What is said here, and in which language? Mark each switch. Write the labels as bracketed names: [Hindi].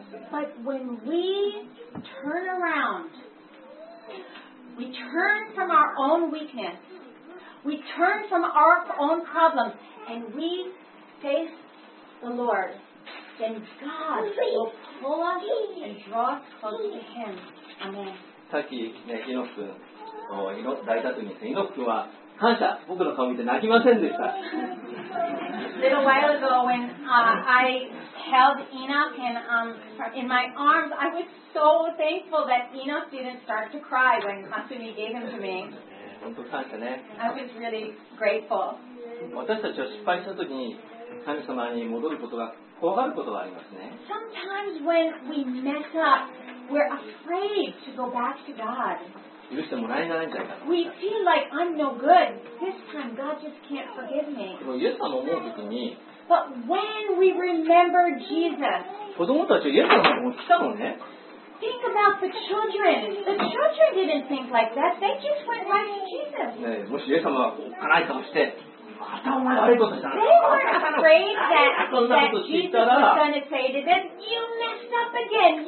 [English] But when we turn around, we turn from our own weakness, we turn from our own problems, and we face the Lord, then God will pull us and draw us close to Him. Amen. [Japanese] さっきね、イノク君、イノク大田君ですね。イノク君は感謝、僕の顔見て泣きませんでした。 [English] Little while ago when I held Enoch and in my arms, I was so thankful that Enoch didn't start to cry when Hatsumi gave him to me. [Japanese] 本当感謝ね。 [English] I was really grateful. [Japanese] 私たちは失敗した時に神様に戻ることが怖がることがありますね。 [English] Sometimes when we mess up, we're afraid to go back to God. [Japanese] 許してもらえないんじゃないかな。 [English] We feel like I'm no good. This time God just can't forgive me. [Japanese] でもイエス様を思うときに、 [English] But when we remember Jesus, [Japanese] 子供たちはイエス様のところに来たのね。 [English] Think about the children. The children didn't think like that. They just went right to Jesus. [Japanese] ね、もしイエス様がおっかないかもして、またお前悪いことしたな。 [English] They were afraid that Jesus was going to say to them, You messed up again.